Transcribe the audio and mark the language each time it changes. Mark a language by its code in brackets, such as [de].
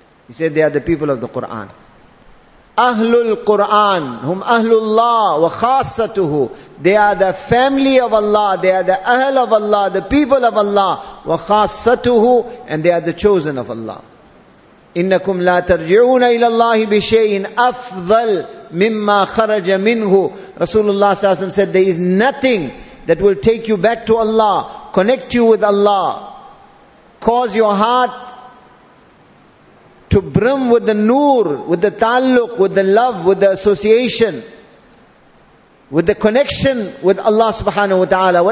[en] He said, they are the people of the Quran. Ahlul Quran, [ar] Hum Ahlullah wa khasatuhu. [en] They are the family of Allah, they are the ahl of Allah, the people of Allah, [ar] wa khasatuhu, [en] and they are the chosen of Allah. [ar] إنكم لا ترجعون إلى الله بشيء أفضل مما خرج منه. [en] Rasulullah صلى الله عليه وسلم said, there is nothing that will take you back to Allah, connect you with Allah, cause your heart to brim with the nur, with the taluk, with the love, with the association, with the connection with Allah subhanahu wa ta'ala.